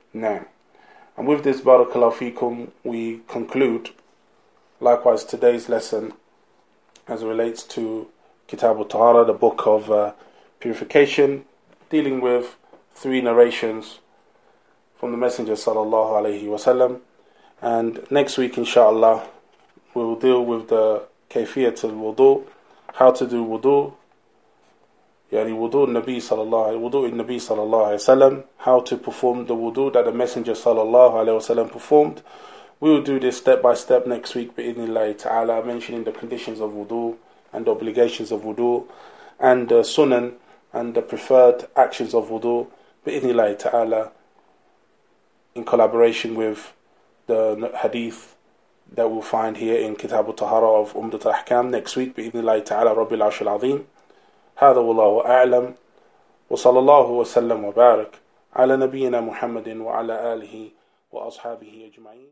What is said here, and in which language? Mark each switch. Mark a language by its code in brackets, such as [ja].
[en] Now, and with this barakallahu fikum, we conclude likewise today's lesson as it relates to Kitab al-Tahara, the book of purification, dealing with 3 narrations from the Messenger sallallahu alayhi wa sallam. And next week, inshallah, we will deal with the kayfiyat al-wudu, how to do wudu, [ar] يعني وضوء النبي صلى الله عليه وضوء النبي صلى الله عليه وسلم, [en] how to perform the wudu that the messenger [ar] صلى الله عليه وسلم performed. [en] We will do this step by step next week [ar] بإذن الله تعالى, mentioning the conditions of wudu and the obligations of wudu and the sunan and the preferred actions of wudu بإذن الله تعالى, in collaboration with the hadith that we'll find here in Kitab al-Tahara of Umdat al-Ahkam next week بإذن الله تعالى رب العرش العظيم. هذا والله أعلم, وصلى الله وسلم وبارك على نبينا محمد وعلى آله وأصحابه أجمعين.